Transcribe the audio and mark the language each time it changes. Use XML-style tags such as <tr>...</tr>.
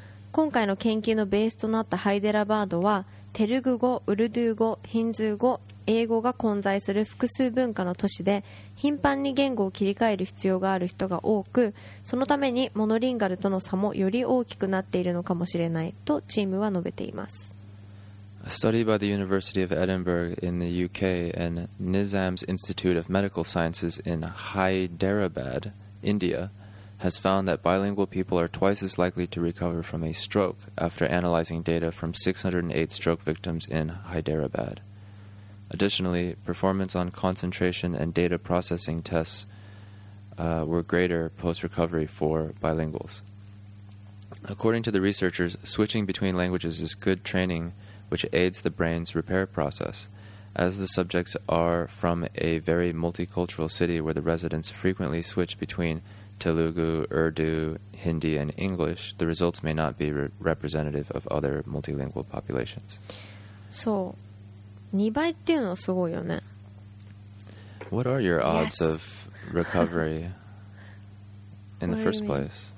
<ja>今回の研究のベースとなったハイデラバードはテルグ語、ウルドゥー語、ヒンズー語、英語が混在する複数文化の都市で、頻繁に言語を切り替える必要がある人が多く、そのためにモノリンガルとの差もより大きくなっているのかもしれないとチームは述べています。</ja> <en>A study by the University of Edinburgh in the UK and Nizam's Institute of Medical Sciences in Hyderabad, India, has found that bilingual people are twice as likely to recover from a stroke after analyzing data from 608 stroke victims in Hyderabad. Additionally, performance on concentration and data processing tests were greater post-recovery for bilinguals. According to the researchers, switching between languages is good training which aids the brain's repair process. As the subjects are from a very multicultural city where the residents frequently switch between Telugu, Urdu, Hindi, and English, the results may not be representative of other multilingual populations.</en> <ja>So, 2倍っていうのはすごいよね。</ja> <en>What are your odds of recovery in the first place?</en>